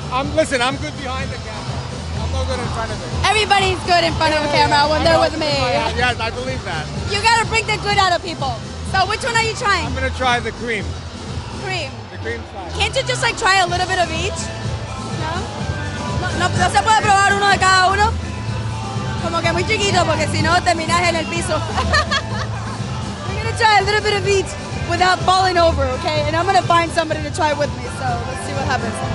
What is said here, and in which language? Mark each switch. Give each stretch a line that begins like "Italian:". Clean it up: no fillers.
English: I'm good behind the camera. I'm no good in front of it. Everybody's good in front of a camera when they're with me. Yes, I believe that. You gotta bring the good out of people. So which one are you trying? I'm gonna try the cream. Cream. The cream side. Can't you just like try a little bit of each?
Spanish: No se puede probar uno de cada uno? Como que muy chiquito, porque si no, terminas en el piso.
English: We're going to try a little bit of each without falling over, okay? And I'm going to find somebody to try with me, so let's see what happens.